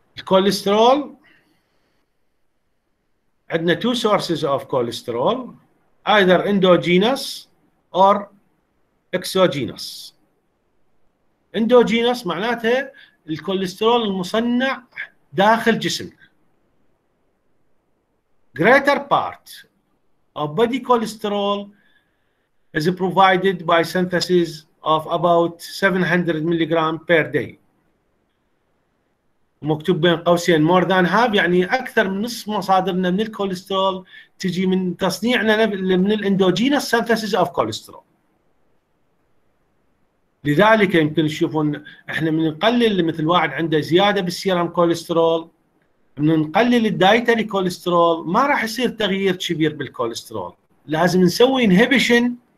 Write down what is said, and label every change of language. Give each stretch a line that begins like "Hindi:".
English: Cholesterol, عندنا two sources of cholesterol, either endogenous or exogenous.
Arabic: اندوجينوس معناتها الكوليسترول المصنع داخل جسمنا.
English: Greater part of body cholesterol is provided by synthesis of about 700 milligram per day.
Arabic: مكتوب بين قوسين
English: more than half،
Arabic: يعني اكثر من نصف مصادرنا من الكوليسترول تجي من تصنيعنا من الاندوجينوس
English: synthesis of cholesterol.
Arabic: لذلك يمكن تشوفون احنا من نقلل مثل واحد عنده زياده بالسيرام كوليسترول من نقلل الدايتري كوليسترول ما راح يصير تغيير كبير بالكوليسترول، لازم نسوي انهبيشن